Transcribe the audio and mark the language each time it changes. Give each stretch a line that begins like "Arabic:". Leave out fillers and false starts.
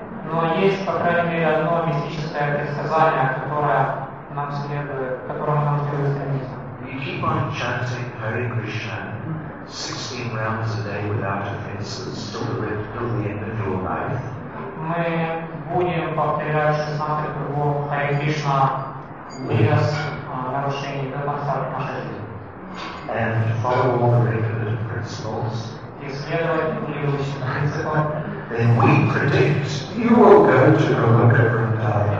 Russian: Но есть, по крайней мере, одно мистическое предсказание, которое нам следует, которому нам следует стремиться.
English: You keep on chanting Hare Krishna 16 rounds a day without offenses till the end of your life.
Russian: Мы будем повторять 16 кругов Hare Krishna без нарушений до конца нашей жизни.
English: And follow all the recommended principles.
Russian: И следовать определенным принципам.
English: Then we predict you will go to Goloka Vrindavan.